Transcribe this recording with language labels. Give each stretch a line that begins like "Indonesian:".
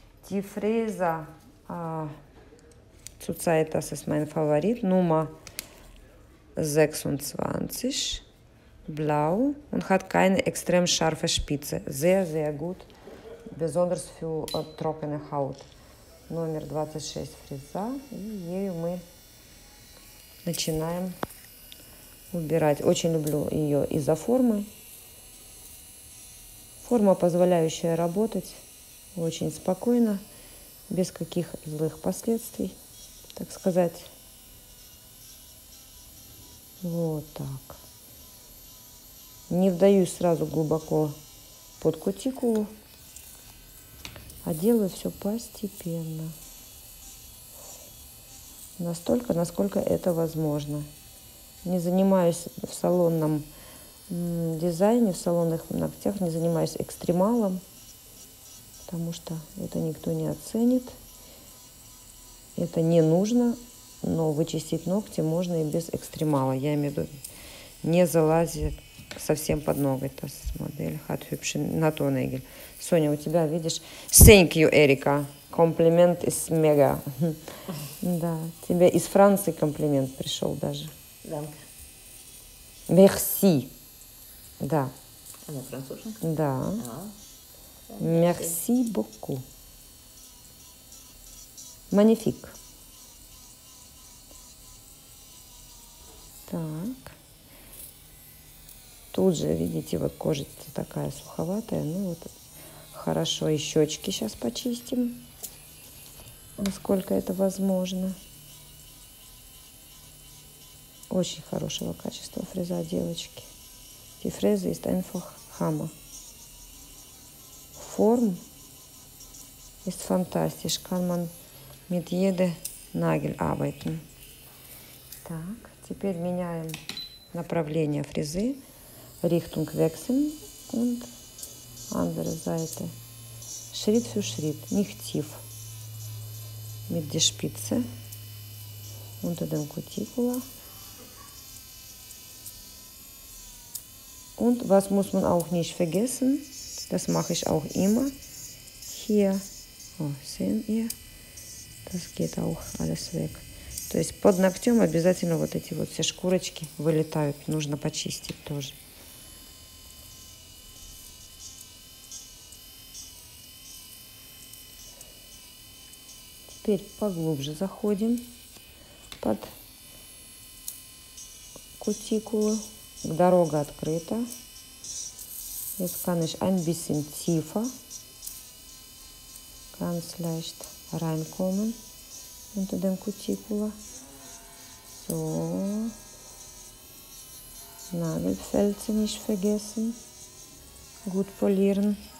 German: Die Fräse, zurzeit, das ist mein Favorit, Nummer 26, blau und hat keine extrem scharfe Spitze. Sehr, sehr gut, besonders für trockene Haut. Nummer 26 Fräse, und hier wir
Russian: начинаем убирать. Очень люблю ее из-за формы. Форма, позволяющая работать очень спокойно, без каких злых последствий, так сказать. Вот так. Не вдаюсь сразу глубоко под кутикулу, а делаю все постепенно. Настолько, насколько это возможно. Не занимаюсь в салонном дизайне, в салонных ногтях, не занимаюсь экстремалом, потому что это никто не оценит. Это не нужно, но вычистить ногти можно и без экстремала. Я имею в виду, не залазит совсем под ноготь. Это модель Hot Hübsch Naturnägel. Соня, у тебя, видишь,
English: thank you,
Russian: Эрика. Комплимент из мега. Да, тебе из Франции комплимент пришел даже. Да. Мерси. Да. Она француженка?
French: Да. Мерси боку. Манифик.
Russian: Так. Тут же, видите, вот кожица такая суховатая. Ну вот, хорошо, и щечки сейчас почистим. Насколько это возможно. Очень хорошего качества фреза, девочки.
German: Die Fräse ist einfach Hammer. Form ist fantastisch. Kann man mit jedem Nagel arbeiten.
Russian: Так, теперь меняем направление фрезы.
German: Richtung wechseln und andere Seite. Schritt für Schritt, nicht tief. Mit der Spitze unter dem Cuticula. Und was muss man auch nicht vergessen, das mache ich auch immer. Hier, oh, sehen wir, das geht auch alles weg.
Russian: То есть под ногтем обязательно вот эти вот все шкурочки вылетают, нужно почистить тоже. Теперь поглубже заходим под кутикулу. Дорога открыта.
German: Jetzt kann ich ein bisschen tiefer, ganz leicht reinkommen unter dem Cuticula. So. Nagelfelze nicht vergessen. Gut polieren.